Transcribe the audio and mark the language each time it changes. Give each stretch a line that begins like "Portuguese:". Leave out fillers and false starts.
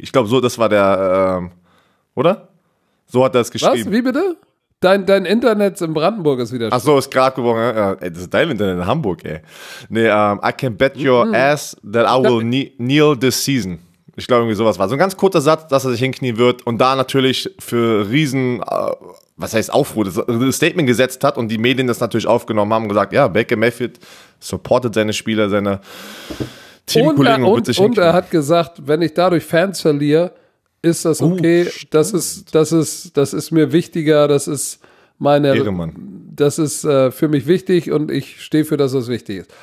German: Ich glaube, so das war der, oder? So hat er es geschrieben. Was, wie bitte? Dein Internet in Brandenburg ist wieder schön. Ach so, ist gerade geworden. Ja, ey, das ist dein Internet in Hamburg, ey.
English: Nee, I can bet your ass that I will kneel this season.
German: Ich glaube, irgendwie sowas war. So ein ganz kurzer Satz, dass er sich hinknien wird und da natürlich für Riesen, was heißt Aufruhr, das Statement gesetzt hat und die Medien das natürlich aufgenommen haben und gesagt, ja, Baker Mayfield supportet seine Spieler, seine Teamkollegen und bitte sich hinknien. Und er hat gesagt, wenn ich dadurch Fans verliere, ist das okay, das ist mir wichtiger, das ist für mich wichtig und ich stehe für das, was wichtig ist.